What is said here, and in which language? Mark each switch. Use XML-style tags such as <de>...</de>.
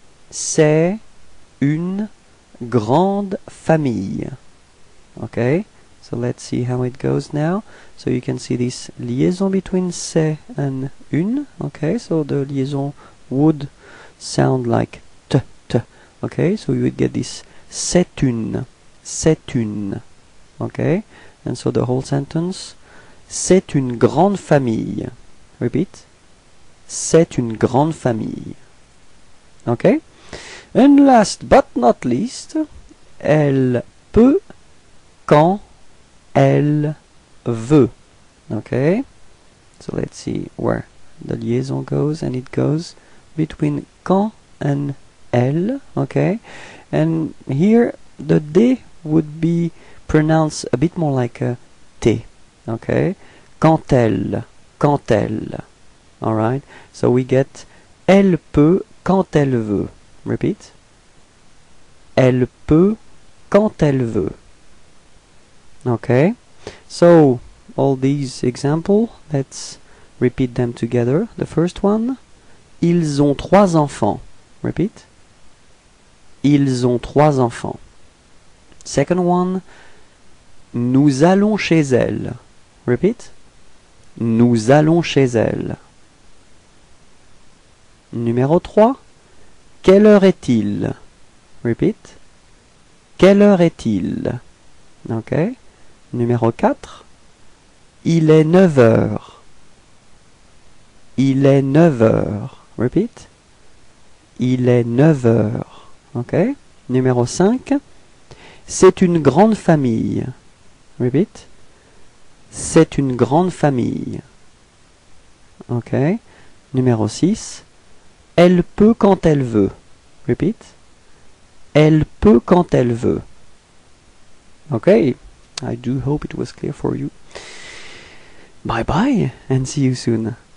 <fr>C'est une grande famille.</fr> <en>Okay, so let's see how it goes now. So you can see this liaison between c'est and une. Okay, so the liaison would sound like t, t. Okay, so you would get this c'est une. C'est une. Okay, and so the whole sentence.</en> <fr>C'est une grande famille.</fr> <en>Repeat.</en> <fr>C'est une grande famille. Okay.</fr> <en>And last but not least,</en> <fr>elle peut quand elle veut.</fr> <en>Okay, so let's see where the liaison goes, and it goes between quand and elle. Okay, and here the D would be pronounced a bit more like a T. Okay,</en> <fr>quand elle,</fr> <en>alright, so we get</en> <fr>elle peut quand elle veut.</fr> <en>Repeat.</en> <fr>Elle peut quand elle veut.</fr> <en>Okay, so all these examples, let's repeat them together. The first one,</en> <fr>ils ont trois enfants.</fr> <en>Repeat. Ils ont trois enfants. Second one, nous allons chez elle. Repeat. Nous allons chez elle. Numéro 3. Quelle heure est-il? Repeat. Quelle heure est-il? OK. Numéro 4. Il est 9 heures. Il est 9 heures. Repeat. Il est 9 heures. OK. Numéro 5. C'est une grande famille. Repeat. C'est une grande famille. OK. Numéro 6. Elle peut quand elle veut. Repeat. Elle peut quand elle veut. OK. I do hope it was clear for you. Bye bye and see you soon.</en>